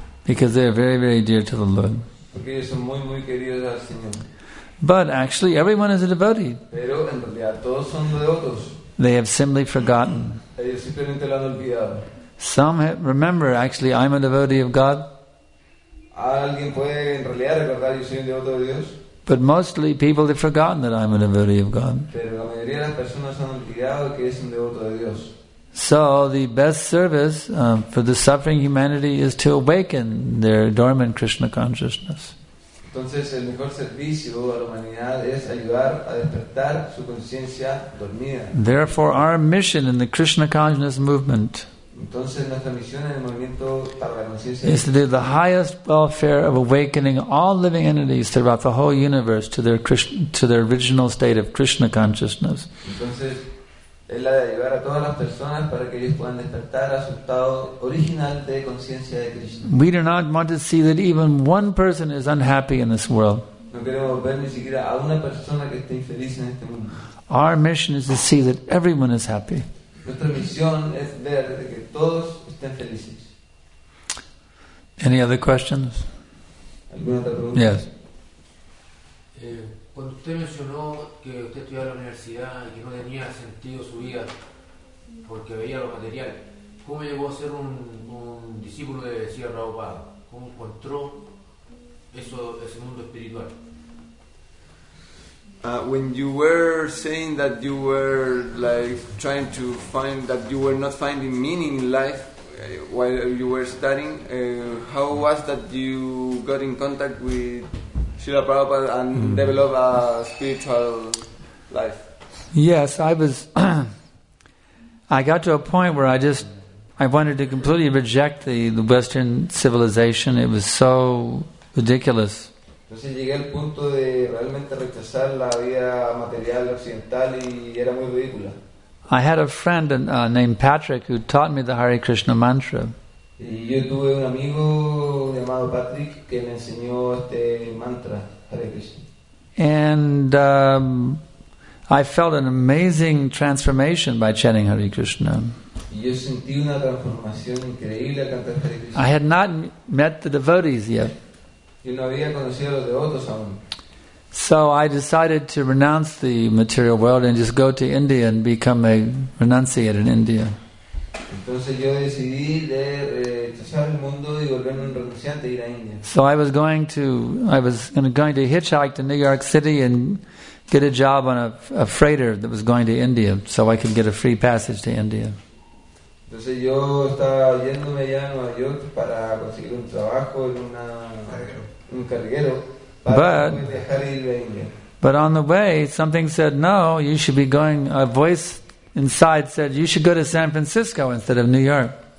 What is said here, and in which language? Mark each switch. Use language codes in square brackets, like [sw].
[en] Because they are very, very dear to the Lord. [es] Porque ellos son muy, muy queridos al Señor. [en] But actually, everyone is a devotee. [es] Pero en realidad, todos son devotos. [en] They have simply forgotten. [es] Ellos simplemente lo han olvidado. [en] Some remember, actually, I'm a devotee of God. [es] ¿Alguien puede en realidad recordar que yo soy un devoto de Dios? [en] But mostly, people have forgotten that I'm a devotee of God. [es] Pero la mayoría de las personas han olvidado que es un devoto de Dios. [en] So the best service for the suffering humanity is to awaken their dormant Krishna consciousness. [es] Entonces, el mejor servicio a la humanidad es ayudar a despertar su conciencia dormida. [en] Therefore, our mission in the Krishna consciousness movement, [es] entonces, nuestra misión en el movimiento para la conciencia, [en] is to do the highest welfare of awakening all living entities throughout the whole universe to their Krishna original state of Krishna consciousness. [es] Entonces, es la de ayudar a todas las personas para que ellos puedan despertar a su estado original de conciencia de Krishna. [en] We do not want to see that even one person is unhappy in this world. [es] No queremos ver ni siquiera a una persona que esté infeliz en este mundo. [en] Our mission is to see that everyone is happy. [es] Nuestra misión es ver de que todos estén felices. [en] Any other questions? [es] ¿Alguna otra pregunta? [en] Yes. [es] Cuando usted mencionó que usted estudiaba en la universidad y que no tenía sentido su vida porque veía lo material, ¿cómo llegó a ser un discípulo de Sri Prabhupada? ¿Cómo encontró ese mundo espiritual? [en] When you were saying that you were like trying to find that you were not finding meaning in life while you were studying, how was that you got in contact with Srila Prabhupada and develop a spiritual life? Yes, I was. I got to a point where I wanted to completely reject the Western civilization. It was so ridiculous. [es] Entonces llegué al punto de realmente rechazar la vida material occidental y era muy ridícula. [en] I had a friend named Patrick who taught me the Hare Krishna mantra. [es] Y yo tuve un amigo llamado Patrick que me enseñó este mantra, Hare Krishna. [en] And I felt an amazing transformation by chanting Hare Krishna. [es] Yo sentí una transformación increíble al cantar Hare Krishna. [en] I had not met the devotees yet. [es] Yo no había conocido a los devotos aún. [en] So I decided to renounce the material world and just go to India and become a renunciate in India. [es] Entonces yo decidí de rechazar el mundo y volverme un renunciante y ir a India. [en] So I was going to hitchhike to New York City and get a job on a freighter that was going to India so I could get a free passage to India. [es] Entonces yo estaba yéndome ya a Nueva York para conseguir un trabajo en un carguero para viajar y ir a India. [en] But on the way something said, no, you should be going, a voice inside said, you should go to San Francisco instead of New York.